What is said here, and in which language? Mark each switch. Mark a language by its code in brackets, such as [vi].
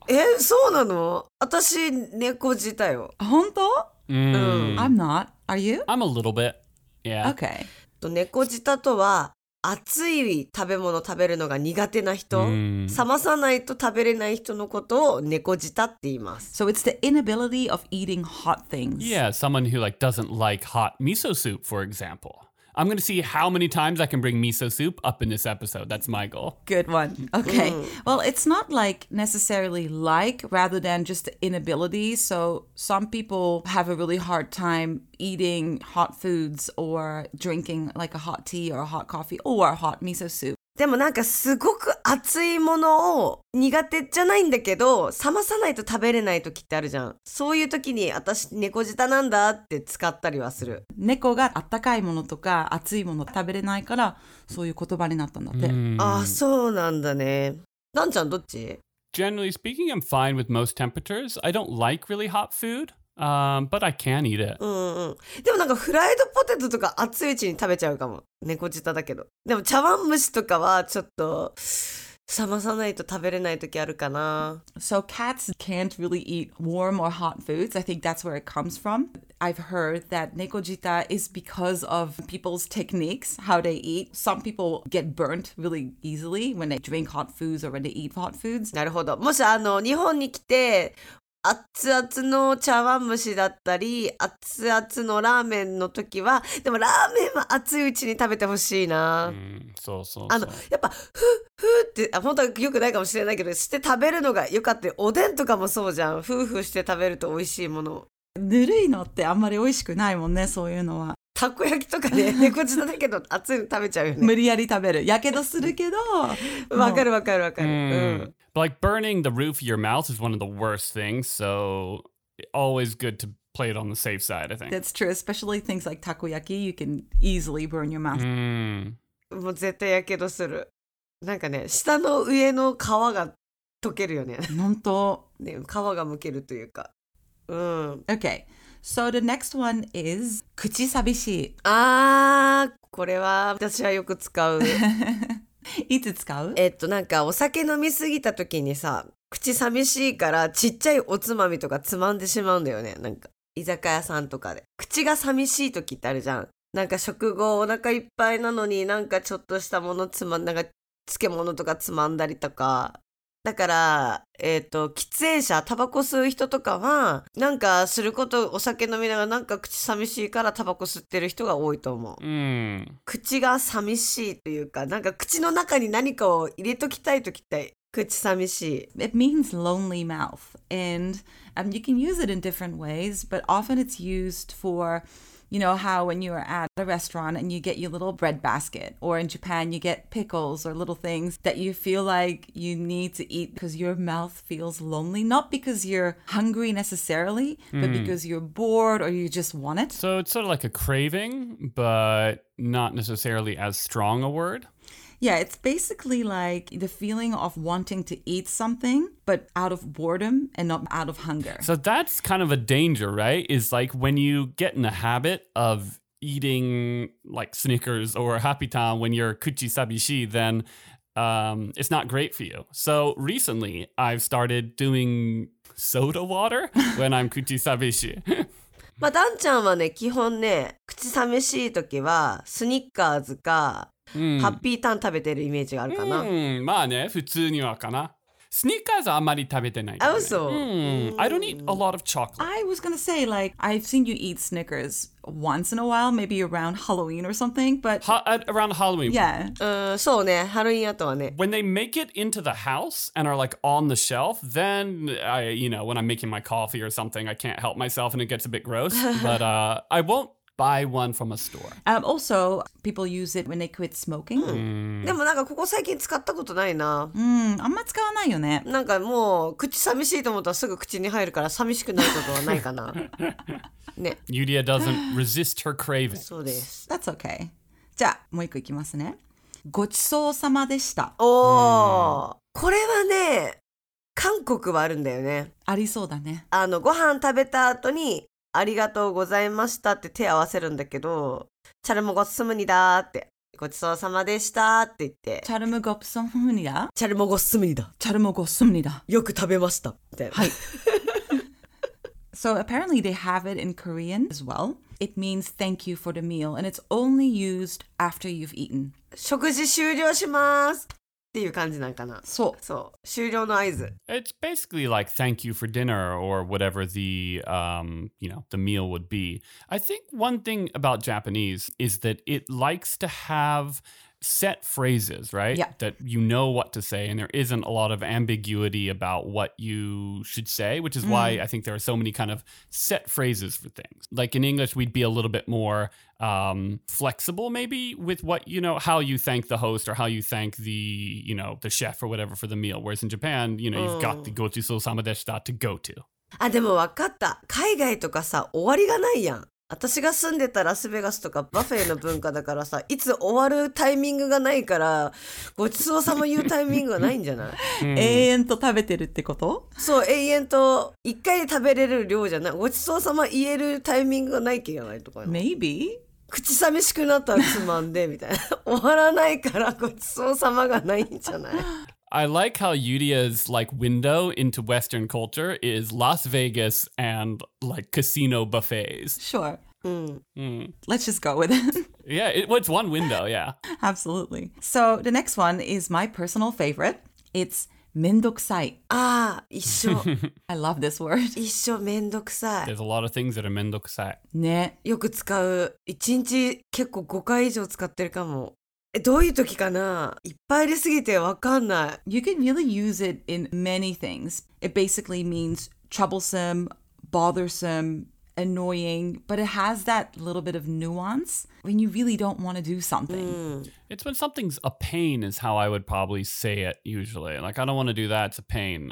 [ja] う。え、そうなの？私猫舌よ。本当？うん。 [en] I'm not. Are you? I'm a little bit. Yeah. Okay. [ja] 猫舌とは熱い食べ物食べるのが苦手な人、冷まさないと食べれない人のことを猫舌って言います。 [en] So it's the inability of eating hot things. Yeah, someone who like doesn't like hot miso soup, for example. I'm going to see how many times I can bring miso soup up in this episode. That's my goal. Good one. Okay. Well, it's not like necessarily like rather than just the inability. So some people have a really hard time eating hot foods or drinking like a hot tea or a hot coffee or a hot miso soup. [ja] でもなんかすごく熱いものを苦手じゃないんだけど、冷まさないと食べれない時ってあるじゃん。そういう時に私猫舌なんだって使ったりはする。猫が温かいものとか熱いもの食べれないから、そういう言葉になったんだって。ああ、そうなんだね。なんちゃんどっち? [en] Generally speaking, I'm fine with most temperatures. I don't like really hot food, but I can eat it. [ja] うんうん。でもなんかフライドポテトとか熱いうちに食べちゃうかも。猫舌だけど。でも茶碗蒸しとかはちょっと冷まさないと食べれない時あるかな。 [en] So cats can't really eat warm or hot foods. I think that's where it comes from. I've heard that 猫舌 is because of people's techniques, how they eat. Some people get burnt really easily when they drink hot foods or when they eat hot foods. [ja] なるほど。もし日本に来て熱々の茶碗蒸しだったり熱々のラーメンの時は、でもラーメンは熱いうちに食べてほしいな。そうそう、やっぱふふって本当は良くないかもしれないけど、して食べるのが良かった。おでんとかもそうじゃん。ふふして食べると美味しいもの。ぬるいのってあんまり美味しくないもんね、そういうのは。たこ焼きとかね、猫舌だけど熱いの食べちゃうよね。無理やり食べる。やけどするけど。わかるわかるわかる。 [en] Like burning the roof of your mouth is one of the worst things, so always good to play it on the safe side, I think. That's true, especially things like takoyaki, you can easily burn your mouth. [ja] もう絶対やけどする。なんかね、舌の上の皮が溶けるよね。本当。ね、皮がむけるというか。 [en] Okay, so the next one is 口寂しい。 [ja] ああ、これは私はよく使う。いつ使う？なんかお酒飲みすぎた時にさ、口寂しいからちっちゃいおつまみとかつまんでしまうんだよね。なんか居酒屋さんとかで口が寂しい時ってあるじゃん。なんか食後お腹いっぱいなのに、なんかちょっとしたものつまん、なんか漬物とかつまんだりとか。だから喫煙者、タバコ吸う人とかはなんかすること、お酒飲みながらなんか口寂しいからタバコ吸ってる人が多いと思う。口が寂しいというか、なんか口の中に何かを入れときたいときたい。口寂しい。 [en] It means lonely mouth, and you can use it in different ways, but often it's used for, you know, how when you are at a restaurant and you get your little bread basket, or in Japan you get pickles or little things that you feel like you need to eat because your mouth feels lonely, not because you're hungry necessarily, but because you're bored or you just want it. So it's sort of like a craving, but not necessarily as strong a word. Yeah, it's basically like the feeling of wanting to eat something, but out of boredom and not out of hunger. So that's kind of a danger, right? Is like when you get in the habit of eating like Snickers or Happy Town when you're kuchi sabishi, then it's not great for you. So recently, I've started doing soda water when I'm kuchisabishi. [ja] まあ、ダンちゃんはね、基本ね、口寂しい時はスニッカーズか、mm. ハッピーターン食べてるイメージがあるかな。 Mm. まあね、普通にはかな。スニッカーズはあまり食べてない、ね。あ、そう。 [en] I don't eat a lot of chocolate. I was gonna say, like, I've seen you eat Snickers once in a while, maybe around Halloween or something, but... Around Halloween. Yeah. [ja] そうね、ハロウィンあとはね。 [en] When they make it into the house and are, like, on the shelf, then, I, you know, when I'm making my coffee or something, I can't help myself and it gets a bit gross, but I won't buy one from a store. Also, people use it when they quit smoking. [ja] でもなんかここ最近使ったことないな。あんま使わないよね。なんかもう口寂しいと思ったらすぐ口に入るから寂しくないことはないかな。ね。 [en] Yulia doesn't resist her craving. [ja] そうです。 [en] That's okay. [ja] じゃあもう一個いきますね。ごちそうさまでした。おお。これはね、韓国はあるんだよね。ありそうだね。あのご飯食べた後に。ありがとうございましたって手合わせるんだけど、チャルムゴプスムニダーってごちそうさまでしたって言って、チャルムゴプスムニダ、チャルムゴスムニダ、チャルムゴスムニダ、よく食べましたって。はい。 [en] So apparently they have it in Korean as well. It means thank you for the meal, and it's only used after you've eaten. [ja] 食事終了しますっていう感じなんかな。そう。そう。終了の合図。 [en] It's basically like thank you for dinner or whatever the, you know, the meal would be. I think one thing about Japanese is that it likes to have set phrases, right? Yeah. That you know what to say and there isn't a lot of ambiguity about what you should say, which is why I think there are so many kind of set phrases for things. Like in English, we'd be a little bit more flexible maybe with what, you know, how you thank the host or how you thank the, you know, the chef or whatever for the meal. Whereas in Japan, you know, you've got the gochiso samadeshita to go to. [ja] Ah, でも分かった。海外とかさ、終わりがないやん。私が住んでたラスベガスとかバフェの文化だからさ、いつ終わるタイミングがないから、ごちそうさま言うタイミングがないんじゃない？永遠と食べてるってこと？そう、永遠と一回で食べれる量じゃない。ごちそうさま言えるタイミングがない気がないとか。 [en] Maybe? [ja] 口寂しくなったらつまんで、みたいな。終わらないからごちそうさまがないんじゃない？ [en] I like how Yuria's like window into Western culture is Las Vegas and like casino buffets. Sure. Let's just go with it. Yeah, it's one window, yeah. Absolutely. So the next one is my personal favorite. It's Mendokusai. [ja] Ah, 一緒. [en] I love this word. [ja] 一緒, Mendokusai. [en] There's a lot of things that are Mendokusai. [ja] ね, よく使う. 一日結構5回以上使ってるかも。どういう時かな？いっぱいありすぎてわかんない。 [en] You can really use it in many things. It basically means troublesome, bothersome, annoying, but it has that little bit of nuance when you really don't want to do something. It's when something's a pain is how I would probably say it usually. Like, I don't want to do that. It's a pain.